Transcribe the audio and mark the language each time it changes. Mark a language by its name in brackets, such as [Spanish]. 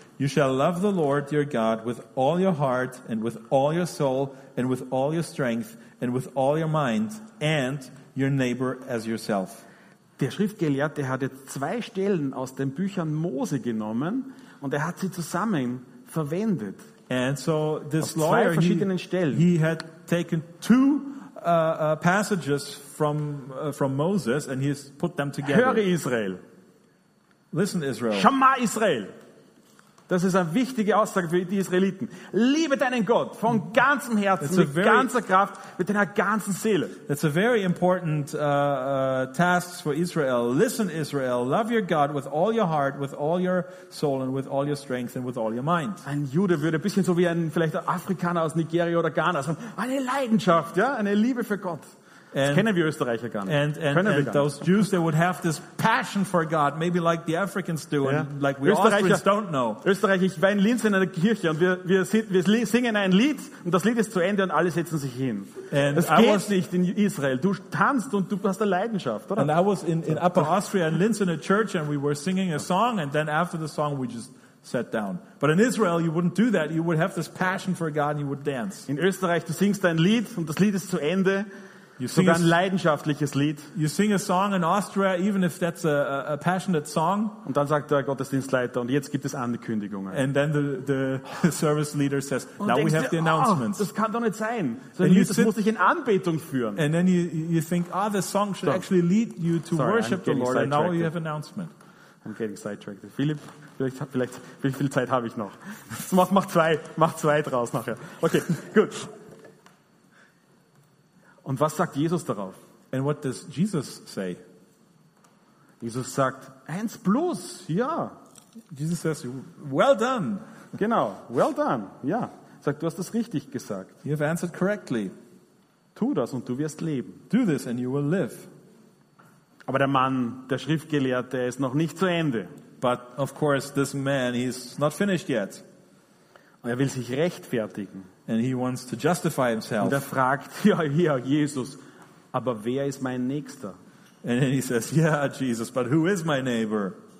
[English] You shall love the Lord your God with all your heart and with all your soul and with all your strength and with all your mind and your neighbor as yourself. [German] Der Schriftgelehrte hatte 2 Stellen aus den Büchern Mose genommen und er hat sie zusammen verwendet. [English] And so this [German] auf zwei verschiedenen Stellen. [English] He had taken 2 passages from Moses and he's put them together. [German] Höre Israel. [English] Listen Israel. [Hebrew] Shema Israel. [German] Das ist eine wichtige Aussage für die Israeliten. Liebe deinen Gott von ganzem Herzen, mit ganzer Kraft, mit deiner ganzen Seele. [English] It's a very important task for Israel. Listen Israel, love your God with all your heart, with all your soul and with all your strength and with all your mind. [German] Ein Jude würde ein bisschen so wie ein vielleicht ein Afrikaner aus Nigeria oder Ghana sagen, eine Leidenschaft, ja, eine Liebe für Gott. [English] And those Jews, they would have this passion for God, maybe like the Africans do, yeah. And like we Austrians don't know. [German] Österreicher, ich war in Linz in einer Kirche und wir singen ein Lied und das Lied ist zu Ende und alle setzen sich hin. [English] And [German] das geht nicht in Israel. Du tanzt und du hast eine Leidenschaft, oder? [English] And I was in Upper Austria in Linz in a church and we were singing a song and then after the song we just sat down. But in Israel you wouldn't do that. You would have this passion for God and you would dance. [German] In Österreich, du singst ein Lied und das Lied ist zu Ende. [English] You sing [German] sogar ein leidenschaftliches Lied. [English] You sing a song in Austria, even if that's a passionate song. [German] Und dann sagt der Gottesdienstleiter, und jetzt gibt es Ankündigungen. [English] And then the service leader says, und now we have the announcements. [German] Oh, das kann doch nicht sein. So ein Lied, das muss dich in Anbetung führen. [English] And then you think, ah, oh, this song should actually lead you to worship the Lord. And now you have announcement. I'm getting sidetracked. [German] Philipp, vielleicht, wie viel Zeit habe ich noch? mach zwei draus nachher. Okay, gut. Und was sagt Jesus darauf? [English] And what does Jesus say? [German] Jesus sagt, eins plus, ja. [English] Jesus says, well done. [German] Genau, [English] well done, [German] ja. Sagt, du hast das richtig gesagt. [English] You have answered correctly. [German] Tu das und du wirst leben. [English] Do this and you will live. [German] Aber der Mann, der Schriftgelehrte, ist noch nicht zu Ende. [English] But of course, this man, he's not finished yet. [German] Und er will sich rechtfertigen. [English] And he wants to justify himself. [German] Und er fragt, ja, Jesus, aber wer ist mein Nächster? [English] And then he says, yeah, Jesus, but who is my neighbor?